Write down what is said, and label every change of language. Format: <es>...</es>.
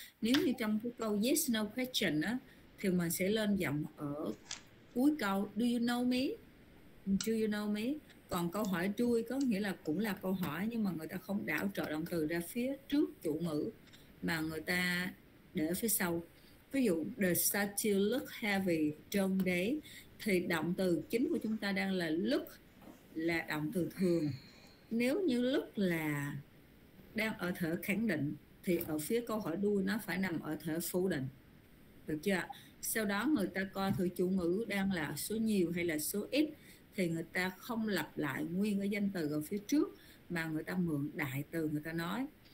<vi>Nếu như trong cái câu yes no question á, thì mình sẽ lên giọng ở cuối câu.</vi> <en>Do you know me? Do you know me?</en> <vi>Còn câu hỏi đuôi có nghĩa là cũng là câu hỏi, nhưng mà người ta không đảo trợ động từ ra phía trước chủ ngữ mà người ta để phía sau. Ví dụ,</vi> <en>the statue look heavy, don't they?</en> <vi>Thì động từ chính của chúng ta đang là look, là động từ thường. Nếu như look là đang ở thể khẳng định, thì ở phía câu hỏi đuôi nó phải nằm ở thể phủ định. Được chưa? Sau đó người ta coi thử chủ ngữ đang là số nhiều hay là số ít, thì người ta không lặp lại nguyên cái danh từ ở phía trước, mà người ta mượn đại từ người ta nói.</vi>